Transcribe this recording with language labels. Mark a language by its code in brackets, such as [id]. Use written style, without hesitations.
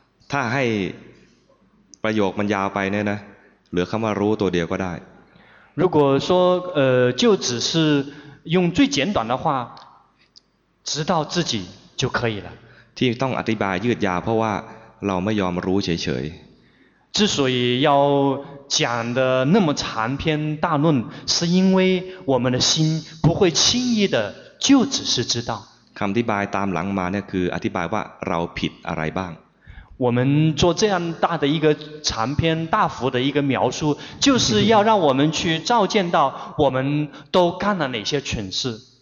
[th] ถ้าให้ประโยคมันยาวไปเนี่ยนะเหลือคำว่ารู้ตัวเดียวก็ได้ [zh] 如果说就只是用最简短的话知道自己就可以了 [th] ที่ต้องอธิบายยืดยาวเพราะว่าเราไม่ยอมรู้เฉยๆ [zh] 之所以要讲的那么长篇大论，是因为我们的心不会轻易的就只是知道。 [th] คำอธิบายตามหลังมาเนี่ยคืออธิบายว่าเราผิดอะไรบ้าง。 [zh] 我们做这样大的一个长篇大幅的一个描述，就是要让我们去照见到我们都干了哪些蠢事。